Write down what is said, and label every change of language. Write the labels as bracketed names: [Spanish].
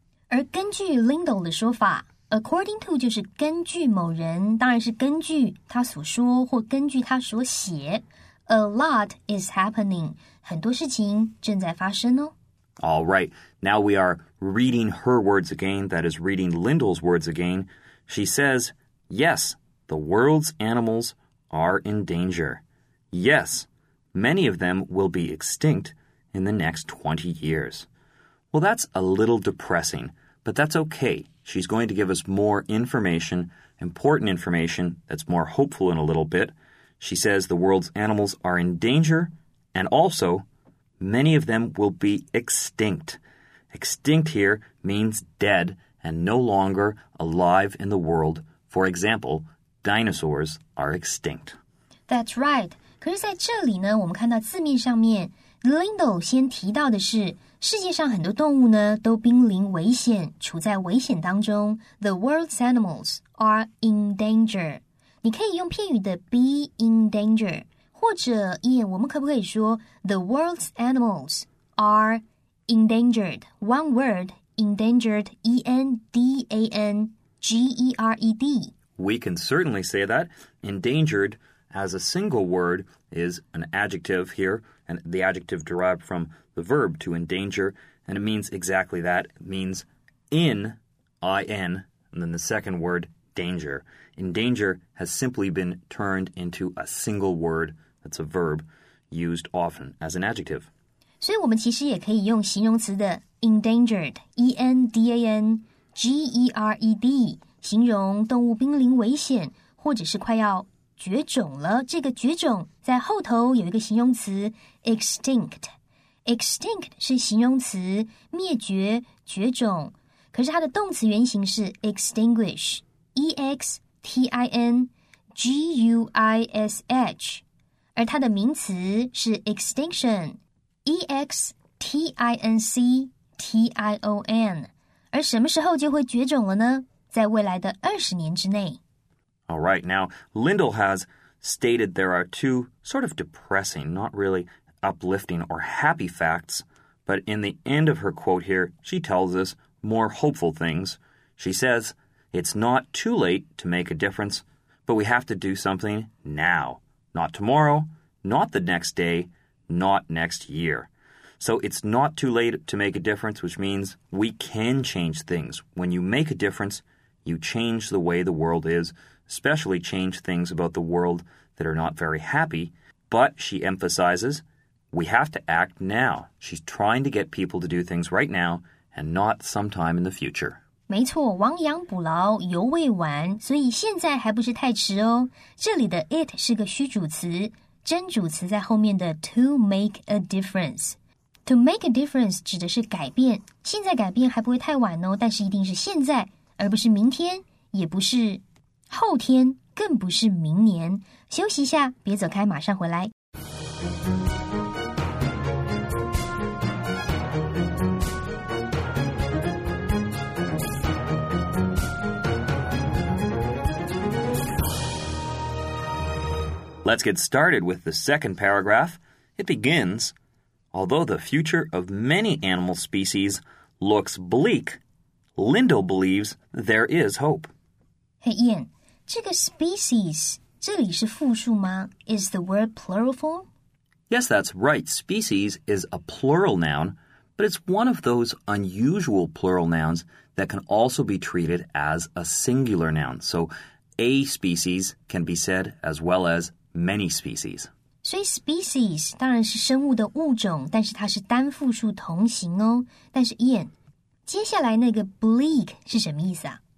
[Chinese] 而根据 Lindell 的说法 , [English] according to [Chinese] 就是根据某人，当然是根据他所说或根据他所写。 [English] A lot is happening, [Chinese] 很多事情正在发生哦。 [English] All right, now we are reading her words again, that is reading Lindell's words again. She says, yes, the world's animals are in danger. Yes, many of them will be extinct in the next 20 years. Well, that's a little depressing, but that's okay. She's going to give us more information, important information that's more hopeful in a little bit. She says the world's animals are in danger, and also many of them will be extinct. Extinct here means dead and no longer alive in the world. For example, dinosaurs are extinct. That's right. [Chinese] 可是在这里呢，我们看到字面上面Lindell 先提到的是世界上很多动物呢都濒临危险，处在危险当中。 [English] The world's animals are in danger. [Chinese] 你可以用片语的 [English] be in danger, [Chinese] 或者 [English] Ian, [Chinese] 我们可不可以说 [English] The world's animals are endangered. One word, endangered, E-N-D-A-N-G-E-R-E-D. We can certainly say that. Endangered as a single word is an adjective here. And the adjective derived from the verb to endanger, and it means exactly that. It means in, I-N, and then the second word, danger. Endanger has simply been turned into a single word that's a verb used often as an adjective. [Chinese] 所以我们其实也可以用形容词的 endangered, E-N-D-A-N-G-E-R-E-D, 形容动物濒临危险或者是快要绝种了，这个绝种在后头有一个形容词 extinct。 extinct 是形容词，灭绝、绝种。可是它的动词原形是 extinguish， E-X-T-I-N-G-U-I-S-H， 而它的名词是 extinction， E-X-T-I-N-C-T-I-O-N。而什么时候就会绝种了呢？在未来的20年之内。 [English] All right, now, Lindell has stated there are two sort of depressing, not really uplifting or happy facts, but in the end of her quote here, she tells us more hopeful things. She says, it's not too late to make a difference, but we have to do something now. Not tomorrow, not the next day, not next year. So it's not too late to make a difference, which means we can change things. When you make a difference, you change the way the world is,especially change things about the world that are not very happy. But, she emphasizes, we have to act now. She's trying to get people to do things right now and not sometime in the future. [Chinese] 没错，亡羊补牢，犹未晚，所以现在还不是太迟哦。这里的 it 是个虚主词，真主词在后面的 [English] to make a difference. To make a difference [Chinese] 指的是改变，现在改变还不会太晚哦，但是一定是现在，而不是明天，也不是后天，更不是明年。休息一下，别走开，马上回来。 [English] Let's get started with the second paragraph. It begins, "Although the future of many animal species looks bleak, Lindo believes there is hope." [Chinese] Hey, Ian, 这个 species, 这里是复数吗? [English] Is the word plural form? Yes, that's right. Species is a plural noun, but it's one of those unusual plural nouns that can also be treated as a singular noun. So a species can be said as well as many species. [Chinese] 所以 species 当然是生物的物种,但是它是单复数同形哦。但是 Ian, 接下来那个 bleak 是什么意思啊?